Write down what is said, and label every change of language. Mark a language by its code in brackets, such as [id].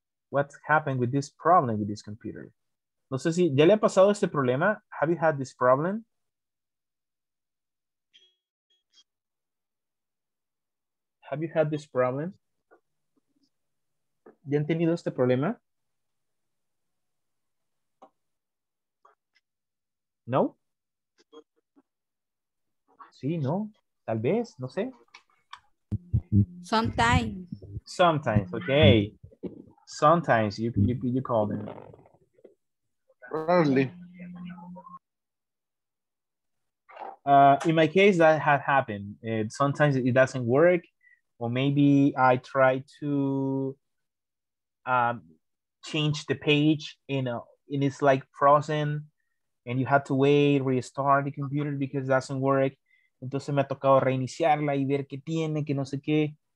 [en] What happened with this problem with this computer? [es] No sé si ya le ha pasado este problema. [en] Have you had this problem? Have you had this problem? [es] ¿Ya han tenido este problema? No. Sí, no. Tal vez, no sé. [en] Sometimes. Sometimes, okay. Sometimes you call them. Rarely. In my case, that had happened. It, sometimes it doesn't work, or maybe I try to change the page, you know, and it's like frozen, and you have to wait, restart the computer because it doesn't work. [es] Entonces me ha tocado reiniciarla y ver qué tiene, que no sé qué.